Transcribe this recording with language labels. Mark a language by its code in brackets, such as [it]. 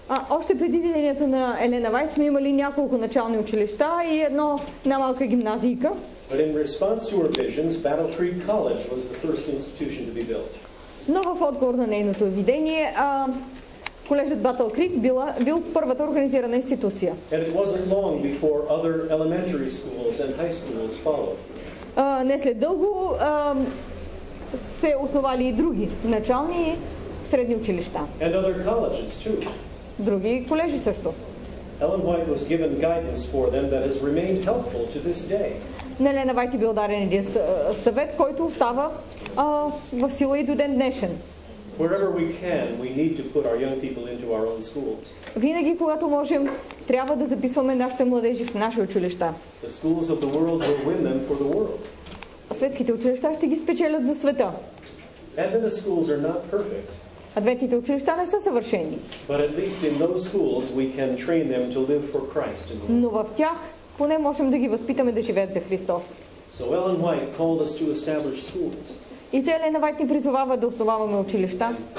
[bg] Още преди видението на Елена Вайс сме имали няколко начални училища и едно най-малка гимназийка. [en] But in response to her visions, Battle Creek College was the first institution to be built. [bg] Но в отговор на нейното видение, колежът Battle Creek бил първата организирана институция. [en] And it wasn't long before other elementary schools and high schools followed. [bg] Не след дълго се основали и други начални и средни училища. [en] And other colleges too. [bg] Други колежи също. [en] Ellen White was given guidance for them that has remained helpful to this day. [bg] Елена Вайт е бил дарен един съвет, който остава в сила и до ден днешен. [en] Wherever we can, we need to put our young people into our own schools. [bg] Винаги когато можем, трябва да записваме нашите младежи в наши училища. [en] The schools of the world will win them for the world. [bg] Светските училища ще ги спечелят за света. [en] Adventist schools are not perfect. [bg] Адвентните училища не са съвършени. [en] But at least in those schools we can train them to live for Christ. [bg] Но в тях поне можем да ги възпитаме да живеят за Христос. [en] So Ellen White called us to establish schools. [bg] И те Елена Вайт ни призовава да основаваме училища.